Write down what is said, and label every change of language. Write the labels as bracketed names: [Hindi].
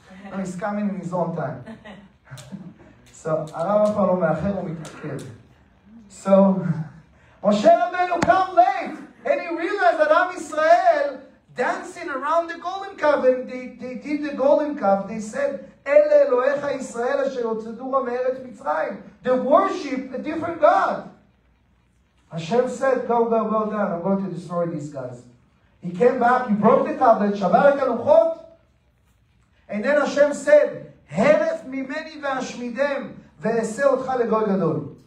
[English] No, he's coming in his own time. So, Moshe Rabbeinu come late, and he realized that Am Yisrael dancing around the golden calf, and they did the golden calf. They said, [Hebrew] אלה אלוהיך ישראל אשר הוצאתו מארץ מצרים. [English] They worship a different God. Hashem said, go, well done. I'm going to destroy these guys. He came back, he broke the tablet, [Hebrew] שבר את הלוחות. [English] And then Hashem said, [Hebrew] הרף ממני ואשמידם ואעשה אותך לגוי גדול.